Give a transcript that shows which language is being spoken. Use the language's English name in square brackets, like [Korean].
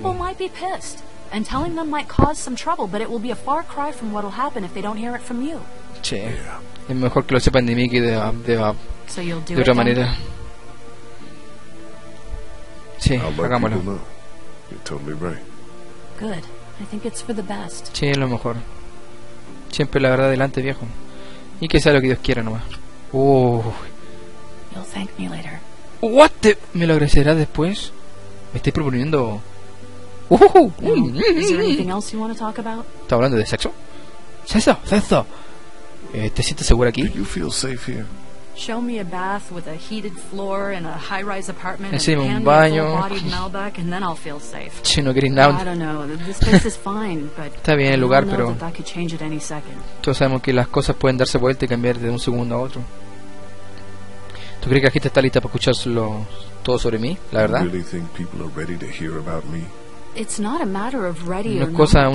[English] People might be pissed, and telling them might cause some trouble, but it will be a far cry from what'll happen if they don't hear it from you. [Spanish] Sí, es mejor que lo sepan de mí que de otra manera. Sí, hagámoslo. [English] You're totally right. Good. I think it's for the best. [Spanish] Sí, es lo mejor. Siempre la verdad adelante, viejo. Y que sea lo que Dios quiera, nomás. [English] You'll thank me later. What the? [Spanish] ¿Me lo agradecerá después? Me estoy proponiendo. [English] Is there anything else you want to talk about? [Spanish] ¿Está hablando de sexo? ¿Sexo? ¿Te sientes segura aquí? [English] Do you feel safe here? Show me a bath with a heated floor and a high-rise apartment. [Spanish] Enséñame un baño. [English] And then I'll feel safe. [Spanish] Si no quieres nada. [English] I don't know. This place is fine, but [Spanish] está bien el lugar, pero [English] that could change at any second. [Spanish] Todos sabemos que las cosas pueden darse vuelta y cambiar de un segundo a otro. ¿Tú crees que la gente está lista para escucharlo todo sobre mí, la verdad? [English] Really think people are ready to hear about me? It's not a matter of ready or not.